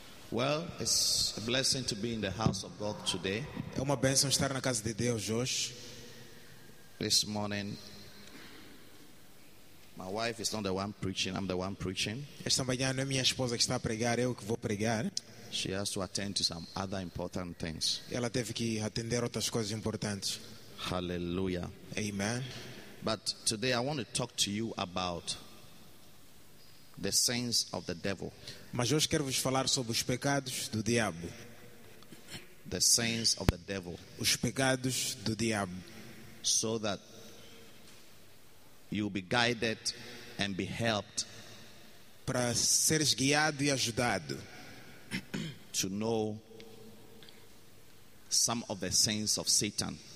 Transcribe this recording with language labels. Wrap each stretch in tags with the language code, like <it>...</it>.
<en>Well, it's a blessing to be in the house of God today.</en> <pt>É uma bênção estar na casa de Deus hoje.</pt> <en>This morning, my wife is not the one preaching, I'm the one preaching.</en> <pt>Esta manhã não é minha esposa que está a pregar, eu que vou pregar.</pt> <en>She has to attend to some other important things.</en> <pt>Ela teve que atender outras coisas importantes.</pt> <en>Hallelujah. Amen. But today I want to talk to you about the sins of the devil.</en> <pt>Mas hoje quero vos falar sobre os pecados do diabo.</pt> <en>The sins of the devil.</en> <pt>Os pecados do diabo.</pt> <en>So that you'll be guided and be helped.</en> <pt>Para seres guiado e ajudado.</pt> <en>To know some of the sins of Satan.</en>